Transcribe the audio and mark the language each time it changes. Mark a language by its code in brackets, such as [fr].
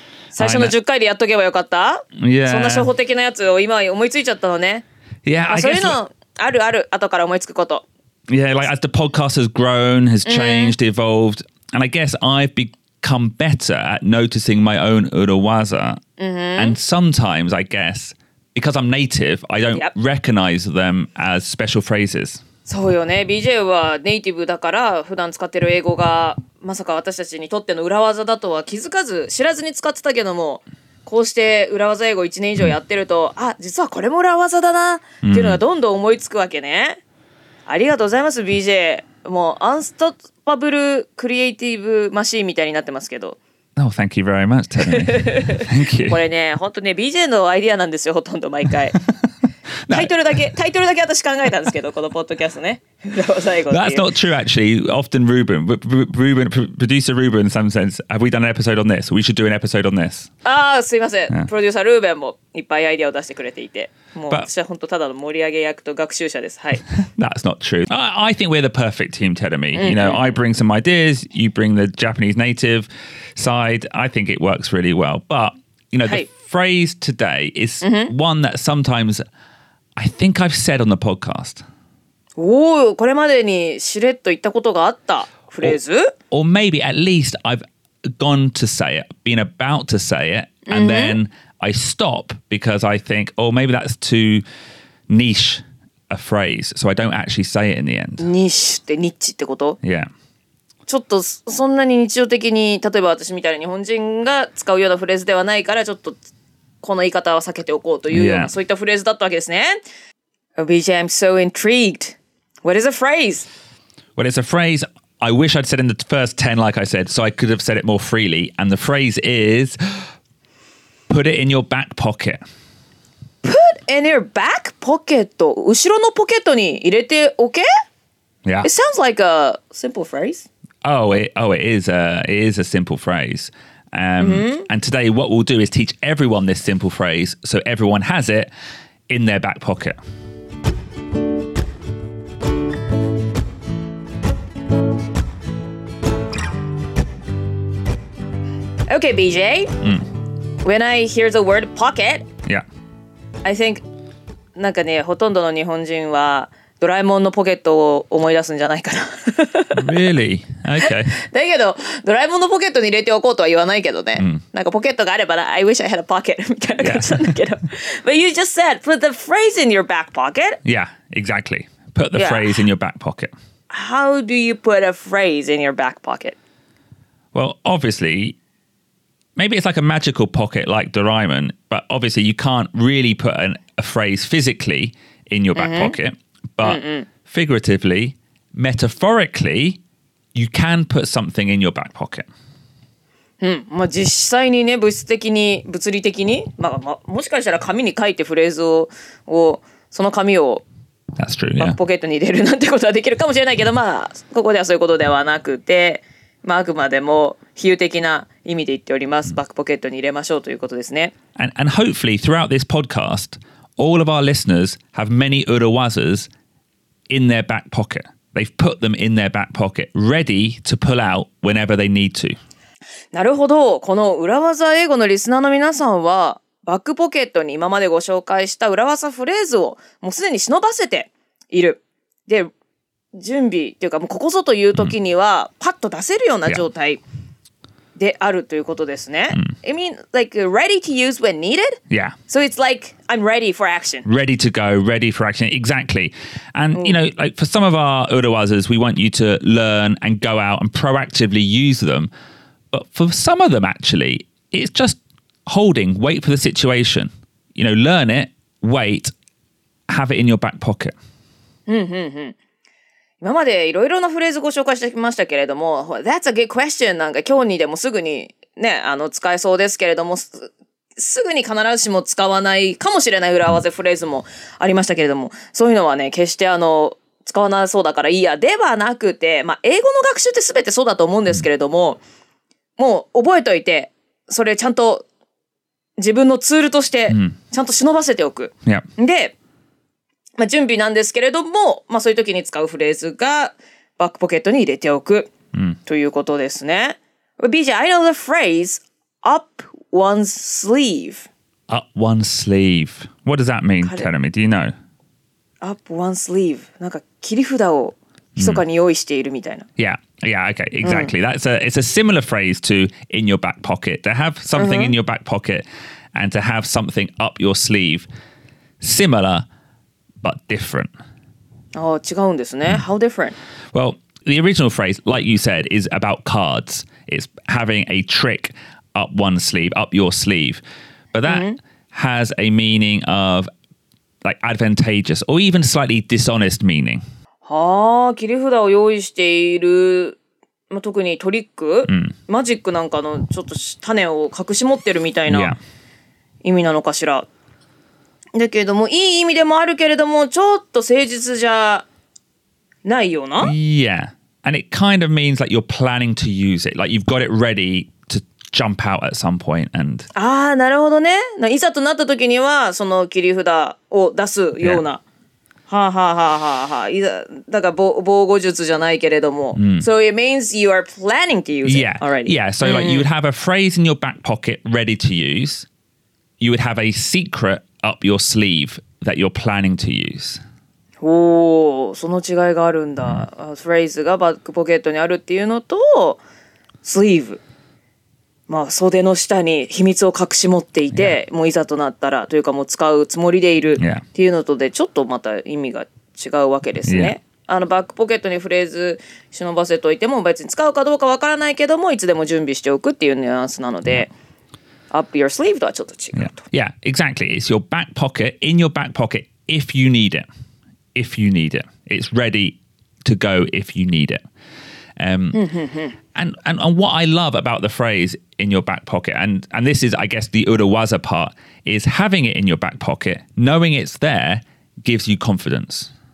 [ja] 最初の10回でやっとけばよかった、 [en] yeah. [ja] そんな初歩的なやつを今思いついちゃったのね。 [en] yeah, [ja] そういうのあるある、後から思いつくこと。 [en] Yeah, like as the podcast has grown, has changed,、mm. evolved, and I guess I've become better at noticing my own urawaza、 mm-hmm. and sometimes I guess because I'm native, I don't、yep. recognize them as special phrases. [ja] そうよね、 BJ はネイティブだから普段使ってる英語がまさか私たちにとっての裏技だとは気づかず知らずに使ってたけども、こうして裏技英語1年以上やってると、mm. あ、実はこれも裏技だなっていうのがどんどん思いつくわけね。ありがとうございます BJ。もうアンストッパブルクリエイティブマシーンみたいになってますけど。 [en] Oh, thank you very much, Tony. Thank you. [ja] これね、本当ね、 BJ のアイデアなんですよ、ほとんど毎回。タイトルだけ私考えたんですけど、このポッドキャストね。 [en] That's not true, actually. Often Ruben, Ruben, producer Ruben, in some sense, have we done an episode on this? We should do an episode on this. [ja] ああ、すいません。 [en] Yeah. [ja] プロデューサー Ruben もいっぱいアイディアを出してくれていて、もう私は本当ただの盛り上げ役と学習者です。はい。 [en] That's not true. I think we're the perfect team, Terumi. You know, I bring some ideas, you bring the Japanese native side. I think it works really well. But, you know, the phrase today is one that sometimes... I think I've said on the podcast. [ja] Oh, これまでにしれっと言ったことがあったフレーズ? [en] Or maybe at least I've gone to say it, been about to say it, and then I stop because I think, oh, maybe that's too niche a phrase, so I don't actually say it in the end. [ja] Niche ってニッチってこと? [en] Yeah. [ja] ちょっとそんなに日常的に、例えば私みたいな日本人が使うようなフレーズではないから、ちょっとこの言い方は避けておこうというような、そういったフレーズだったわけですね。 [en] BJ, I'm so intrigued. What is a phrase? What is a phrase? I wish I'd said in the first 10, like I said, so I could have said it more freely. And the phrase is, put it in your back pocket. Put in your back pocket? [ja] 後ろのポケットに入れておけ? [en] Yeah. It sounds like a simple phrase. Oh, it is a simple phrase. And today what we'll do is teach everyone this simple phrase so everyone has it in their back pocket. Okay, BJ. When I hear the word pocket, yeah. [ja] I think なんかね、ほとんどの日本人はドラえもんのポケットを思い出すんじゃないかな。 [en] Really? Okay. [ja] だけど、ドラえもんのポケットに入れておこうとは言わないけどね。なんかポケットがあれば、 [en] I wish I had a pocket [ja] みたいな感じなんだけど。 [en] But you just said, put the phrase in your back pocket. Yeah, exactly. Put the phrase in your back pocket. How do you put a phrase in your back pocket? Well, obviously, maybe it's like a magical pocket like Doraemon, but obviously you can't really put a phrase physically in your back pocket. But figuratively, metaphorically, you can put something in your back pocket. [ja] まあ実際にね、物質的に、物理的に、まあ、まあ、もしかしたら紙に書いてフレーズを、その紙を、 [en] That's true, yeah. [ja] バックポケットに入れるなんてことはできるかもしれないけど、まあ、ここではそういうことではなくて、まあ、あくまでも比喩的な意味で言っております。バックポケットに入れましょうということですね。 [en] And hopefully, throughout this podcast,All of our listeners have many urawazas in their back pocket. They've put them in their back pocket, ready to pull out whenever they need to. [ja] なるほど。この urawaza 英語のリスナーの皆さんは、バックポケットに今までご紹介した urawaza フレーズをもうすでに忍ばせている。で、準備というか、もうここぞという時にはパッと出せるような状態であるということですね。 [en] I mean, like, ready to use when needed? Yeah. So it's like, I'm ready for action. Ready to go, ready for action, exactly. And, you know, like, for some of our urawazas, we want you to learn and go out and proactively use them. But for some of them, actually, it's just holding, wait for the situation. You know, learn it, wait, have it in your back pocket. Mm-hmm. [ja] 今までいろいろなフレーズをご紹介してきましたけれども、 [en] That's a good question [ja] なんか今日にでもすぐにね、使えそうですけれども、すぐに必ずしも使わないかもしれない裏技フレーズもありましたけれども、そういうのはね、決して使わなそうだからいいや、ではなくて、まあ、英語の学習って全てそうだと思うんですけれども、もう覚えといて、それちゃんと自分のツールとして、ちゃんと忍ばせておく。 [en] Yeah. [ja] で、まあ、準備なんですけれども、まあ、そういう時に使うフレーズがバックポケットに入れておくということですね。 [en] BJ, I know the phrase up one's sleeve. Up one's sleeve. What does that mean, Terumi? Do you know? Up one's sleeve. [ja] なんか切り札を密かに用意しているみたいな。 [en] Yeah, yeah, okay, exactly. It's a similar phrase to in your back pocket. To have something in your back pocket and to have something up your sleeve. Similar. But different. [ja] Oh, 違うんですね。 [en] How different? Well, the original phrase, like you said, is about cards. It's having a trick up one sleeve, up your sleeve. But that has a meaning of like advantageous or even slightly dishonest meaning. [ja] ああ、切り札を用意している、まあ、特にトリック、マジックなんかのちょっと種を隠し持ってるみたいな意味なのかしら。だけれども、いい意味でもあるけれども、ちょっと誠実じゃないよな? [en] Yeah. And it kind of means like you're planning to use it. Like you've got it ready to jump out at some point. And... [ja] ああ、なるほどね。いざとなった時には、その切り札を出すような。 [en] Yeah. [ja] はあはあはあはあはあ。いざ、だから防護術じゃないけれども。 [en] So it means you are planning to use it already. Yeah. So like you would have a phrase in your back pocket ready to use. You would have a secret. Up your sleeve that you're planning to use. [ja] Oh, その違いがあるんだ。フレーズがバックポケットにあるっていうのと、sleeve。まあ、袖の下に秘密を隠し持っていて、もういざとなったらというかもう使うつもりでいるっていうのとで、ちょっとまた意味が違うわけですね。バックポケットにフレーズ忍ばせといても、別に使うかどうかわからないけども、いつでも準備しておくっていうニュアンスなので。 [en] up your sleeve [ja] とはちょっと違うと。 [en] Yeah. Yeah, exactly. It's your back pocket, in your back pocket, if you need it. If you need it. It's ready to go if you need it. And what I love about the phrase in your back pocket, and this is, I guess, the urawaza part, is having it in your back pocket, knowing it's there, gives you confidence.